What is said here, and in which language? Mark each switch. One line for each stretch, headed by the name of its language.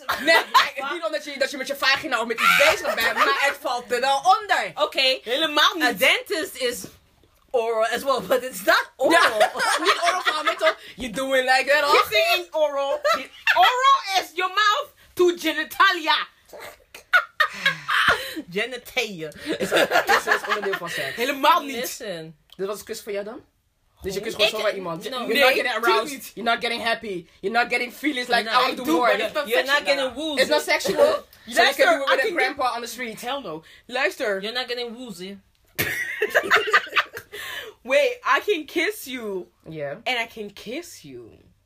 Dutch: Nee, niet omdat je met je vagina of met iets bezig bent, maar het valt er wel onder. Oké. Helemaal niet.
English: A dentist is oral as well, but it's not oral.
Dutch: Ja. Niet oral van met toch?
English: You're doing like that,
Dutch: hoor?
English: Kissing is oral. Oral is your mouth to genitalia. Genitalia.
Dutch: Kussen is onderdeel van seks. Helemaal niet.
English: Listen.
Dutch: Dit was een kus voor jou dan? Dus je kunt gewoon zomaar iemand.
English: No. You're not getting aroused. You're not getting happy. You're not getting feelings like no, out of the world. You're not getting woozy. It's not sexual. You so can do it with a grandpa on the street. Hell no.
Dutch: Luister.
English: You're not getting woozy. Wait, I can kiss you. Yeah. And I can kiss you.